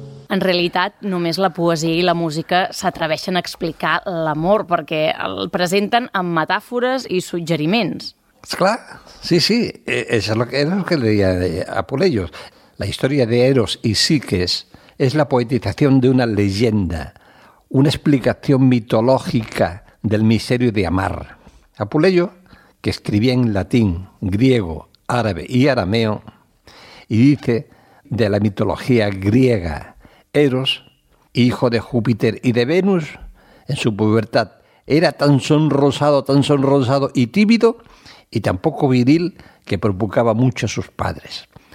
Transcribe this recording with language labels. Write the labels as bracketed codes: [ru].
[ca] En realitat, només la poesia i la música s'atreveixen a explicar l'amor, perquè el presenten amb metàfores i suggeriments. [es] Esclar, sí, sí, eso era lo que leía a Apuleyos. [ca] La història de Eros i Psiques és la poetització d'una llegenda, una explicació mitològica del misteri de amar. [es] Apuleyo, que escribía en latín, griego, árabe y arameo, y dice de la mitología griega, Eros, hijo de Júpiter y de Venus, en su pubertad era tan sonrosado y tímido y tan poco viril que provocaba mucho a sus padres.